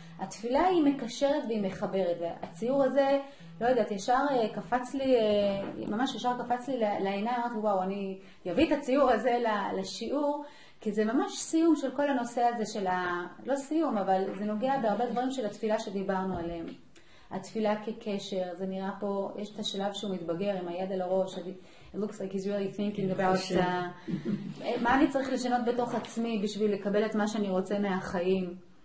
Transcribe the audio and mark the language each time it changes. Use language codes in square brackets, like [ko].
[he] התפילה היא מקשרת והיא מחברת. והציור הזה, לא יודעת, ישר קפץ לי, ממש ישר קפץ לי לעיניי, אמרתי, וואו, אני אביא את הציור הזה לשיעור. כי זה ממש סיום של כל הנושא הזה של ה... לא סיום, אבל זה נוגע בהרבה דברים של התפילה שדיברנו עליהם. התפילה כקשר, זה נראה פה, יש את השלב שהוא מתבגר עם היד על הראש. [en] It looks like he's really thinking about the... [he] מה אני צריך לשנות בתוך עצמי בשביל לקבל את מה שאני רוצה מהחיים?